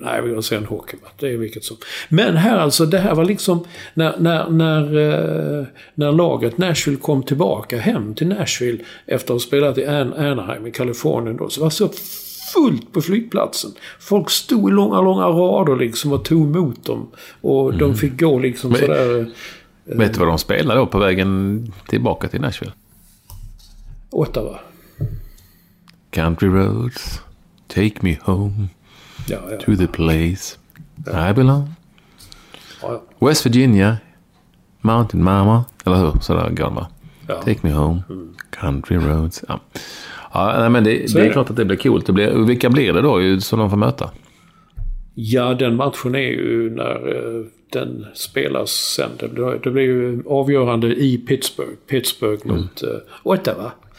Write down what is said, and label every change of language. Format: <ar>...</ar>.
<sv>Nej, vi går och ser en hockeymatch. Det är vilket som. Men här alltså, det här var liksom när laget Nashville kom tillbaka hem till Nashville efter att ha spelat i Anaheim i Kalifornien då, så var det så fullt på flygplatsen. Folk stod i långa, långa rader liksom och tog emot dem. Och de fick gå liksom sådär. Vet du vad de spelade då på vägen tillbaka till Nashville? Ottawa.</sv> <en>Country roads, take me home to the place I belong.</en> <sv>Ja. West Virginia, Mountain Mama, eller hur? Sådär gammal. Ja.</sv> <en>Take me home, country roads.</en> <sv>Ja, men det är klart att det blir coolt. Vilka blir det då som de får möta? Ja, den matchen är ju när den spelas sen. Det blir ju avgörande i Pittsburgh. Pittsburgh mot Ottawa.</sv>